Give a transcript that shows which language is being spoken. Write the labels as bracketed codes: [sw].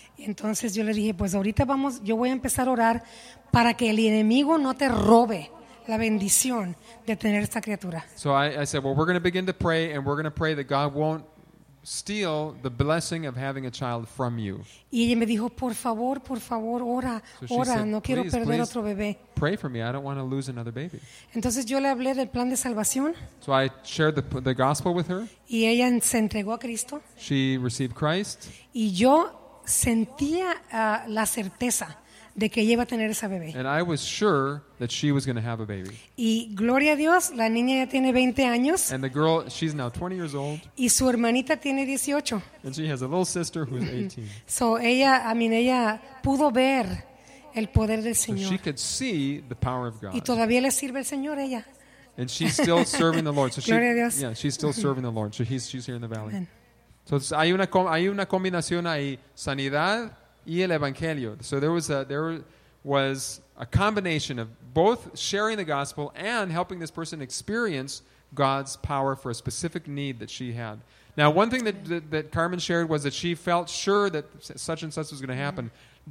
[es] Y entonces yo le dije, pues ahorita vamos, yo voy a empezar a orar para que el enemigo no te robe la bendición de tener esta criatura. [en] So I said, well, we're going to begin to pray, and we're going to pray that God won't steal the blessing of having a child from you. [es] Y ella me dijo, por favor, ora, so ora, said, no quiero perder otro bebé. [en] Pray for me. I don't want to lose another baby. [es] Entonces yo le hablé del plan de salvación. [en] So I shared the gospel with her. [es] Y ella se entregó a Cristo. [en] She received Christ. [es] Y yo sentía la certeza de que ella iba a tener esa bebé. [en] And I was sure that she was going to have a baby. [es] Y gloria a Dios, la niña ya tiene 20 años. [en] And the girl, she's now 20 years old. [es] Y su hermanita tiene 18. [en] And she has a little sister who's 18. [es] So ella, [en] I mean, [es] ella pudo ver el poder del Señor. [en] So she could see the power of God. [es] Y todavía le sirve el Señor ella. [en] And she's still serving the Lord. So [es] gloria a Dios. [en] Yeah, she's still serving the Lord. So she's here in the valley. Amen. [es] So hay una combinación ahí, sanidad y el evangelio. [en] So there was a combination of both sharing the gospel and helping this person experience God's power for a specific need that she had. Now, one thing that Carmen shared was that she felt sure that such and such was going to happen. Mm-hmm.